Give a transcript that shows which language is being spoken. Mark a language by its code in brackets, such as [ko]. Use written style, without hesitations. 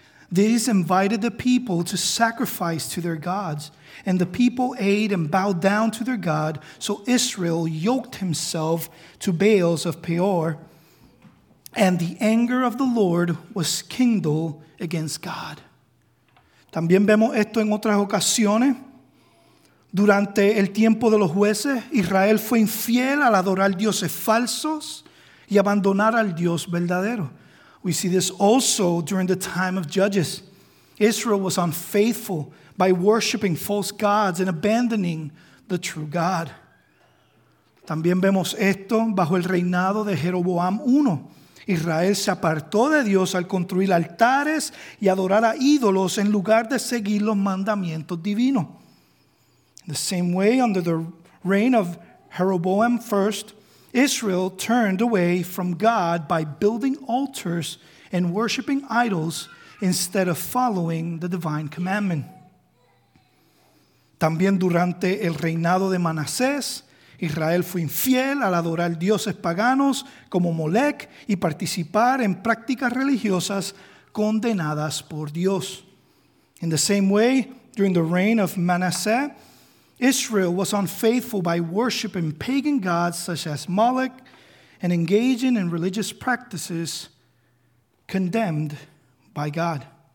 [en] These invited the people to sacrifice to their gods, and the people ate and bowed down to their god. So Israel yoked himself to Baals of Peor, and the anger of the Lord was kindled against God. [es] También vemos esto en otras ocasiones. Durante el tiempo de los jueces, Israel fue infiel al adorar dioses falsos y abandonar al Dios verdadero. [en] We see this also during the time of Judges. Israel was unfaithful by worshiping false gods and abandoning the true God. [es] También vemos esto bajo el reinado de Jeroboam I. Israel se apartó de Dios al construir altares y adorar a ídolos en lugar de seguir los mandamientos divinos. [en] The same way, under the reign of Jeroboam I, Israel turned away from God by building altars and worshiping idols instead of following the divine commandment. [es] También durante el reinado de Manasés, Israel fue infiel al adorar dioses paganos como Molech y participar en prácticas religiosas condenadas por Dios. [en] In the same way, during the reign of Manasseh, Israel was unfaithful by worshiping pagan gods such as Molech and engaging in religious practices condemned by God.